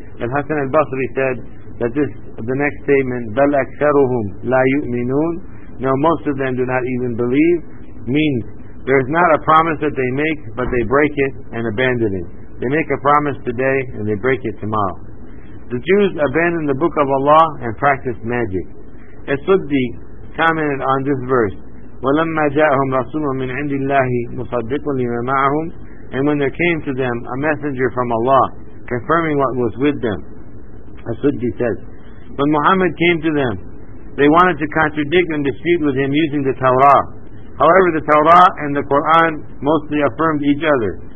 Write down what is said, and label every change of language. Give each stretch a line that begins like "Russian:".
English: And Hassan al-Basri said that this, the next statement,
Arabic: بَلْ أَكْثَرُهُمْ لَا يُؤْمِنُونَ.
English: Now most of them do not even believe, means there is not a promise that they make, but they break it and abandon it. They make a promise today and they break it tomorrow. The Jews abandoned the book of Allah and practiced magic. As-Suddi commented on this verse,
Arabic: وَلَمَّا جَاءَهُمْ رَسُولٌ مِّنْ عِنْدِ اللَّهِ مُصَدِّقٌ لِمَا مَعَهُمْ.
English: And when there came to them a messenger from Allah confirming what was with them, As-Suddi says, when Muhammad came to them, they wanted to contradict and dispute with him using the Torah. However, the Torah and the Quran mostly affirmed each other.